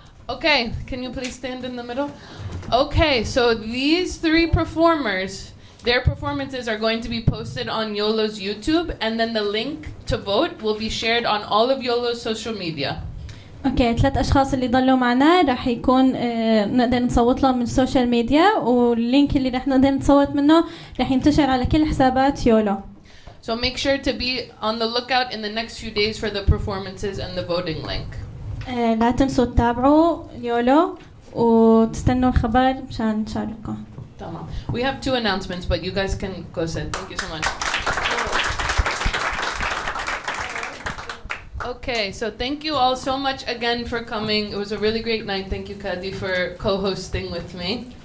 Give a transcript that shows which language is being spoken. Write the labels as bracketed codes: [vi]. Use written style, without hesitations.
[en] Okay, can you please stand in the middle? Okay, so these three performers, their performances are going to be posted on YOLO's YouTube, and then the link to vote will be shared on all of YOLO's social media. [ar] Okay, ثلاث أشخاص اللي ضلوا معنا راح يكون نقدر نصوت لهم من السوشيال ميديا, واللينك اللي راح نقدر نصوت منه راح ينتشر على كل حسابات YOLO. [en] So make sure to be on the lookout in the next few days for the performances and the voting link. [ar] لا تنسوا تتابعوا يولو وتستنوا الخبر مشان تشاركوا. تمام. [en] We have two announcements, but you guys can go ahead. Thank you so much. Okay, so thank you all so much again for coming. It was a really great night. Thank you, Kadi, for co-hosting with me.